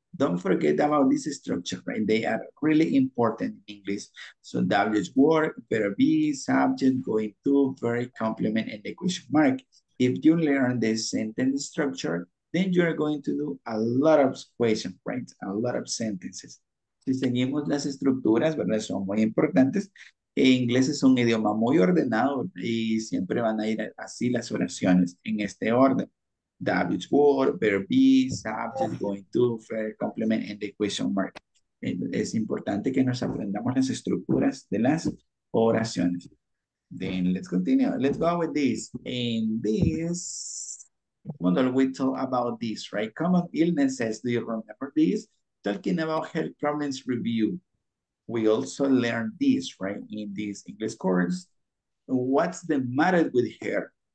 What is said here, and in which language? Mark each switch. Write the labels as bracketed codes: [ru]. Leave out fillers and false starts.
[en] Don't forget about this structure, right? They are really important in English. So W's word, verb be, subject, going to, very complement, and the question mark. If you learn this sentence structure, then you are going to do a lot of questions, right? A lot of sentences. [es] Si seguimos las estructuras, ¿verdad? Son muy importantes. E inglés es un idioma muy ordenado y siempre van a ir así las oraciones en este orden. [en] W's word, verb be, subject, going to, verb, complement, and the question mark. [es] Es importante que nos aprendamos las estructuras de las oraciones. [en] Then let's continue. Let's go with this. In this model, we talk about this, right? Common illnesses. Do you remember this? Talking about health problems review. We also learned this, right? In this English course. What's the matter with her?